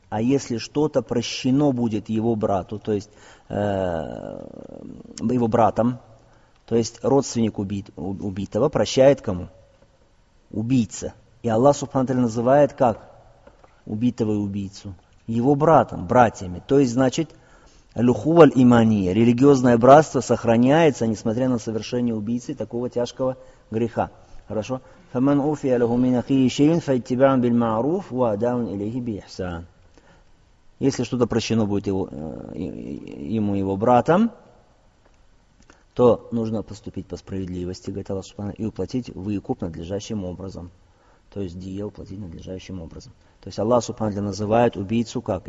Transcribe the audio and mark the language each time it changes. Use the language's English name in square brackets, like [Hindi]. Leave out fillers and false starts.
[Russian] А если что-то прощено будет его брату, то есть его братом, то есть родственник убитого прощает кому? Убийца. И Аллах Субхану Тааля называет как? Убитого и убийцу. Его братом, братьями. То есть, значит, лухуваль имания, религиозное братство сохраняется, несмотря на совершение убийцы такого тяжкого греха. Хорошо? [Arabic] فمن عفي له من أخيه شيء فاتباع بالمعروف وأداء إليه بإحسان. [Russian] Если что-то прощено будет его, ему его братом, то нужно поступить по справедливости, говорит Аллах Субхана, и уплатить выкуп надлежащим образом. То есть дие уплатить надлежащим образом. То есть Аллах Субхана называет убийцу как?